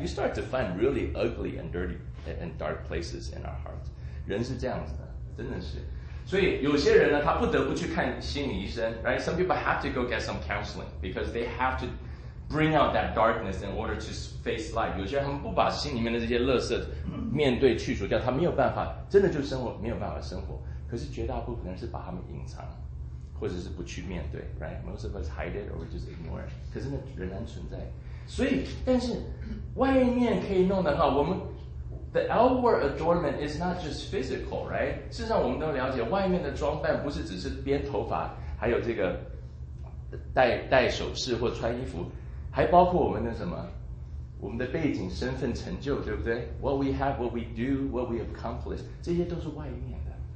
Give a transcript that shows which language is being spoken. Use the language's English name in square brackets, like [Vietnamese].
[English] You start to find really ugly and dirty and dark places in our heart. [Chinese] 人是这样子的，真的是。所以有些人呢，他不得不去看心理医生， right? [English] Some people have to go get some counseling because they have to bring out that darkness in order to face life. [Chinese] 有些人他们不把心里面的这些垃圾面对去除掉，他没有办法，真的就生活没有办法生活。可是绝大部分人是把他们隐藏，或者是不去面对， right? [English] Most of us hide it or just ignore it. [Chinese] 可是那仍然存在。所以，但是外面可以弄得好，我们。 [English] The outward adornment is not just physical, right? [Chinese] 事实上我们都了解，外面的装扮不是只是编头发，还有这个戴首饰或穿衣服，还包括我们的什么，我们的背景、身份、成就，对不对？ [English] What we have, what we do, what we accomplish, [Chinese] 这些都是外面的。